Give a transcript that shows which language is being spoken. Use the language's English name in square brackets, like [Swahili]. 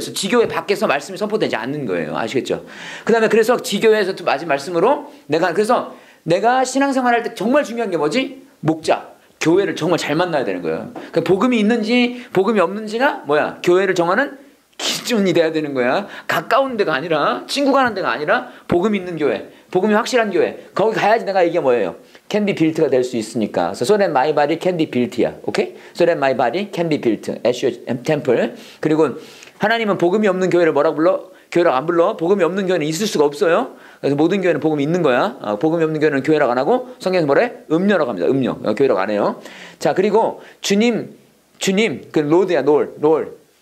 [Korean] 그래서 지교회 밖에서 말씀이 선포되지 않는 거예요. 아시겠죠? 그 다음에 그래서 지교회에서 또 마지막 말씀으로 내가 신앙생활할 때 정말 중요한 게 뭐지? 목자, 교회를 정말 잘 만나야 되는 거예요. 그러니까 복음이 있는지 복음이 없는지가 뭐야? 교회를 정하는 집중이 돼야 되는 거야. 가까운 데가 아니라 친구 가는 데가 아니라 복음 있는 교회, 복음이 확실한 교회 거기 가야지 내가 이게 뭐예요? [English] Can be built [Korean] 가 될 수 있으니까. [English] So, so that my body can be built야. Okay? So that my body can be built as your temple. [Korean] 그리고 하나님은 복음이 없는 교회를 뭐라고 불러? 교회라고 안 불러. 복음이 없는 교회는 있을 수가 없어요. 그래서 모든 교회는 복음이 있는 거야. 복음이 없는 교회는 교회라고 안 하고 성경에서 뭐래? 음녀라고 합니다. 음녀. 교회라고 안 해요. 자, 그리고 주님, 그 로드야. 롤.